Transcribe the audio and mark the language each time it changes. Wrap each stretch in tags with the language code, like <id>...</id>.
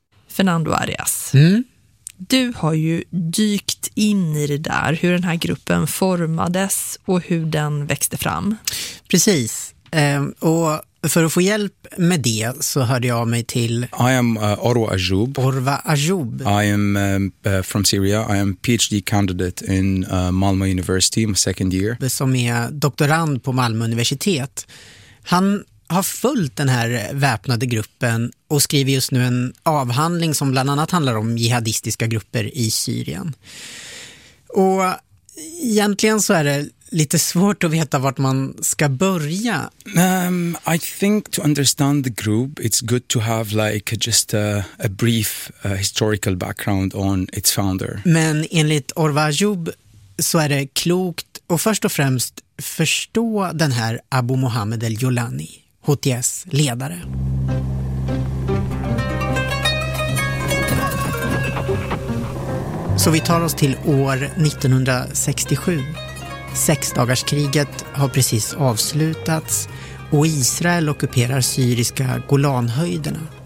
<sv>Fernando Arias, mm? Du har ju dykt in i det där, hur den här gruppen formades och hur den växte fram. Precis. Och för att få hjälp med det så hörde jag mig till...</sv> <en>I am Orwa Ajoub. Orwa Ajoub. I am from Syria. I am PhD candidate in Malmö University, my second year.</en> <sv>Som är doktorand på Malmö universitet. Han har följt den här väpnade gruppen och skriver just nu en avhandling som bland annat handlar om jihadistiska grupper i Syrien. Och egentligen så är det... lite svårt att veta vart man ska börja.</sv> <en>I think to understand the group, it's good to have like just a brief historical background on its founder.</en> <sv>Men enligt Orwa Ajoub så är det klokt att först och främst förstå den här Abu Mohammed al-Julani, HTS ledare. Så vi tar oss till år 1967. Sexdagarskriget har precis avslutats och Israel ockuperar syriska Golanhöjderna.</sv>